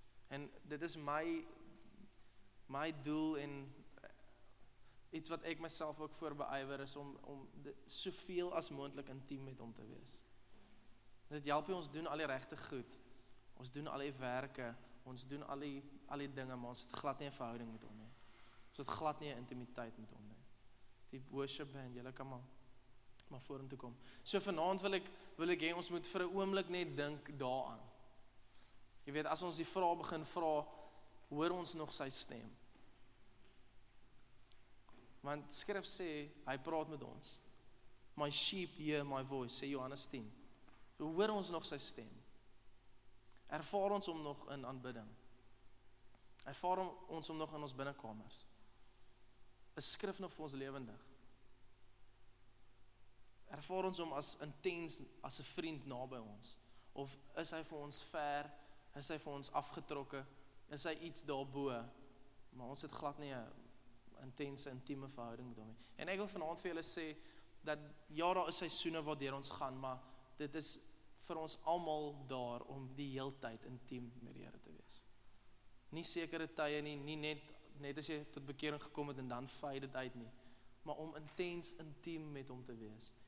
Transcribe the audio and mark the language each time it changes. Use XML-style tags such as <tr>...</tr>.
<af>En dit is my doel en iets wat ek myself ook voor beywer is om soveel as moontlik intiem met hom te wees. Dit help jy, ons doen al die regte goed. Ons doen al die werke, ons doen al die dinge, maar ons het glad nie 'n verhouding met hom nie. Ons het glad nie 'n intimiteit met hom nie. Die worship band, julle kan maar vorentoe kom. So vanaand wil ek hê ons moet vir 'n oomblik net dink daaraan. Jy weet, as ons die vraag begin vra, hoor ons nog sy stem? Want skrif sê, hy praat met ons.</af> <en>My sheep hear my voice,</en> <af>sê Johannes 10. Hoor ons nog sy stem? Ervaar ons hom nog in aanbidding? Ervaar ons hom nog in ons binnenkamers? Is skrif nog vir ons lewendig? Ervaar ons hom as intens, as 'n vriend na by ons? Of is hy vir ons ver? Is hy vir ons afgetrokke? Is hy iets daarbo? Maar ons het glad nie 'n intense, intieme verhouding met hom. En ek wil vanavond vir julle sê, dat ja, daar is seisoene waardeur ons gaan, maar dit is vir ons allemaal daar om die heel tyd intiem met die Here te wees. Nie sekere tye nie, nie net as jy tot bekering gekom het en dan vaai dit uit nie, maar om intens, intiem met hom te wees.</af>